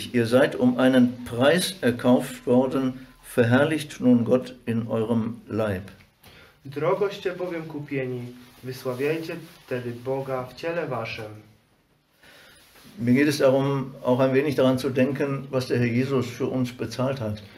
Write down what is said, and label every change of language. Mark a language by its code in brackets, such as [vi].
[de] Ihr seid um einen Preis erkauft worden, verherrlicht nun Gott in eurem Leib. [pl] Drogoście bowiem kupieni, wysławiajcie tedy Boga w ciele waszym. [de] Mir geht es darum, auch ein wenig daran zu denken, was der Herr Jesus für uns bezahlt hat.